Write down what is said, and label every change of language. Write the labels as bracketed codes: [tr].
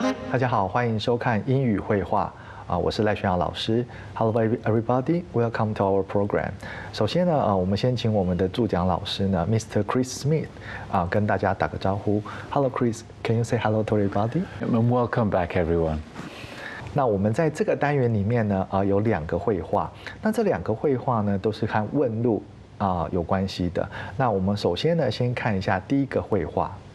[zh] 大家好，欢迎收看英语会话啊，我是赖轩阳老师。 [en] Hello everybody, welcome to our program. [zh] 首先呢，我们先请我们的助讲老师呢 ，Mr. Chris Smith 啊，跟大家打个招呼。 [en] Hello Chris, can you say hello to everybody? And welcome back, everyone. [zh] 那我们在这个单元里面呢，有两个会话。那这两个会话呢，都是和问路有关系的。那我们首先呢，先看一下第一个会话。